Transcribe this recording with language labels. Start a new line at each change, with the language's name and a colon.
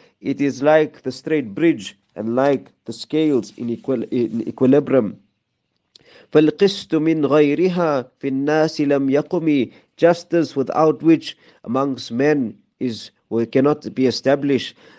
English: It is like the straight bridge and like the scales in equilibrium.
Arabic: فالقسط من غيرها في الناس لم يقم.
English: Justice without which amongst men is we cannot be established.